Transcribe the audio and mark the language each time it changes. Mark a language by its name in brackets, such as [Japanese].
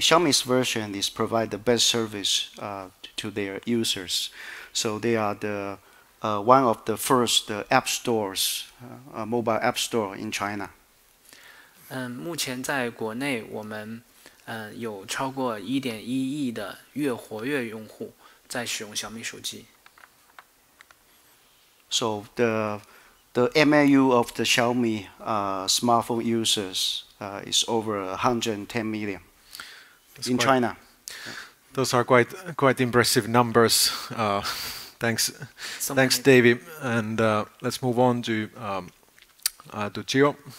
[English] Xiaomi's version is provide the best service to their users, so they are the one of the first app stores, mobile app store in China. [Chinese] 目前在国内我们有超过 1.1 亿的月活跃用户在使用小米手机。 [English] So the MAU of the Xiaomi smartphone users is over 110 million in China. Those are quite impressive numbers. Thanks, David. And let's move on to Gio.